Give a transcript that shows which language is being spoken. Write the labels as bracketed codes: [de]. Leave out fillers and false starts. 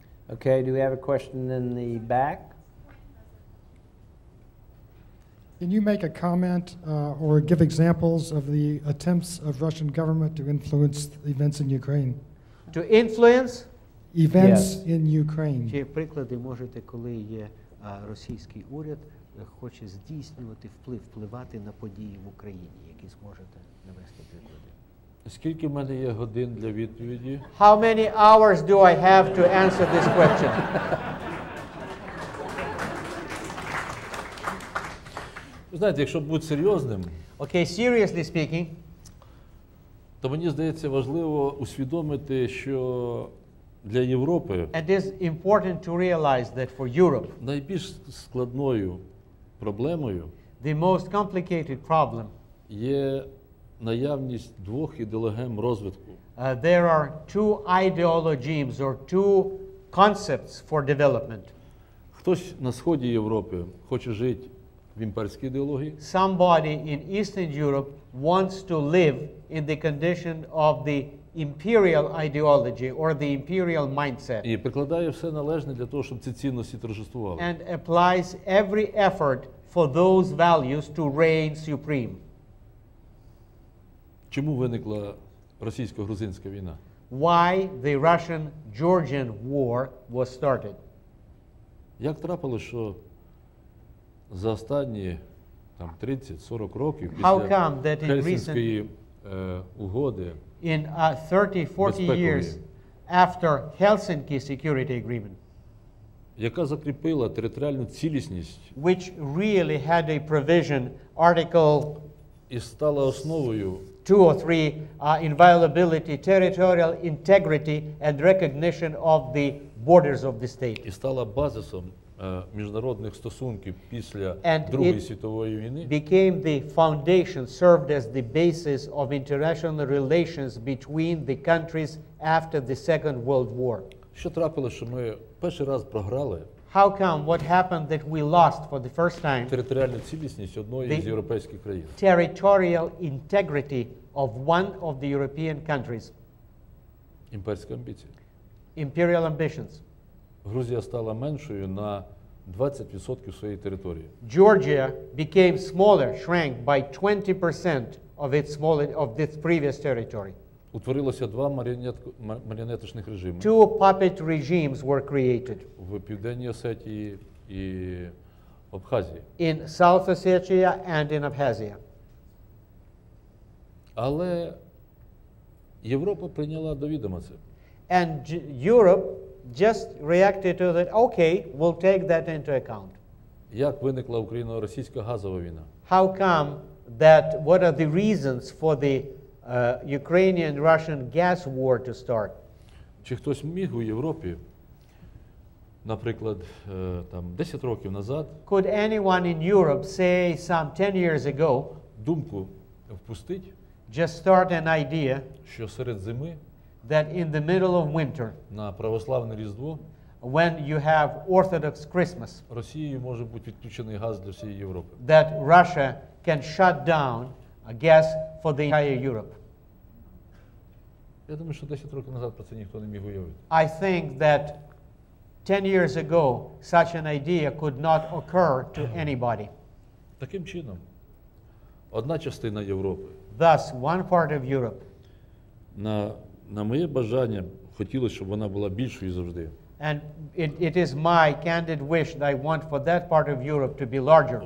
[en] Okay, do we have a question in the back? Can you make a comment or give examples of the attempts of Russian government to influence events in Ukraine? To influence events in Ukraine. [uk] Чи приклади можете, коли є російський уряд хоче здійснювати впливати на події в Україні, які зможете навести приклади? Скільки в мене є годин для відповіді? [en] How many hours do I have to answer this question? [uk] Знаєте, якщо бути серйозним, [en] okay, seriously speaking, [uk] то мені здається важливо усвідомити, що для Європи [en] it is important to realize that for Europe [uk] найбільш складною проблемою [en] the most complicated problem [uk] є наявність двох ідеологем розвитку. [en] There are two ideologies or two concepts for development. [uk] Хтось на сході Європи хоче жити в імперській ідеології. [en] Somebody in Eastern Europe wants to live in the condition of the imperial ideology or the imperial mindset. [uk] І прикладає все належне для того, щоб ці цінності торжествували. [en] And applies every effort for those values to reign supreme. [uk] Чому виникла російсько-грузинська війна? [en] Why the Russian-Georgian war was started? [uk] Як трапилося, що за останні там 30-40 років після Хельсінської угоди [en] in 30-40 years after Helsinki security agreement, [uk] яка закріпила територіальну цілісність, [en] which really had a provision article [uk] і стала основою [en] 2 or 3 inviolability, territorial integrity and recognition of the borders of the state, [uk] і стала базисом міжнародних стосунків після Другої світової війни. [en] It became the foundation, served as the basis of international relations between the countries after the Second World War. [uk] Що трапилося, що ми перший раз програли? [en] How come what happened that we lost for the first time? [uk] Територіальну цілісність одної з європейських країн. [en] Territorial integrity of one of the European countries. [uk] Імперські амбіції. [en] Imperial ambitions. [uk] Грузія стала меншою на 20% своєї території. [en] Georgia became smaller, shrank by 20% of its smaller of this previous territory. [uk] Утворилося два маріонеточних режими. [en] Two puppet regimes were created. [uk] В Південній Осетії і Абхазії. [en] In South Ossetia and in Abkhazia. [uk] Але Європа прийняла до відома це. [en] And Europe just reacted to that, okay, we'll take that into account. [uk] Як виникла україно-російська газова війна? [en] How come that, what are the reasons for the Ukrainian-Russian gas war to start? [uk] Чи хтось міг у Європі, наприклад, там 10 років назад, [en] could anyone in Europe say some 10 years ago, [uk] думку впустити, [en] just start an idea, [uk] що серед зими, [en] that in the middle of winter, [uk] на православне Різдво, [en] when you have Orthodox Christmas, [uk] Росією може бути відключений газ для всієї Європи, [en] that Russia can shut down gas for the entire Europe. I think that 10 years ago, such an idea could not occur to anybody. [uk] Таким чином, одна частина Європи. [en] Thus, one part of Europe. [uk] На моє бажання хотілося, щоб вона була більшою завжди. [en] And it is my candid wish that I want for that part of Europe to be larger.